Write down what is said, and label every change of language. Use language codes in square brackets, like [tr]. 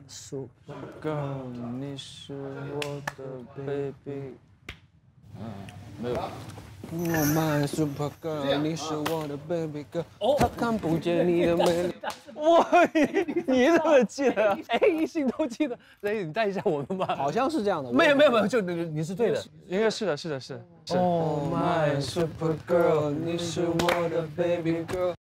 [en] super girl， [zh] 你是我的 baby。嗯，没有。 [en] Oh my super girl， [zh] 你是我的 baby girl，哦，他看不见你的美丽。哇，你怎么记得？哎，一心都记得。哎，你带一下我们吧。好像是这样的。没有没有没有，就你是对的，应该是的，是的，是的。 [en] Oh my super girl， [zh] 你是我的 [en] baby girl。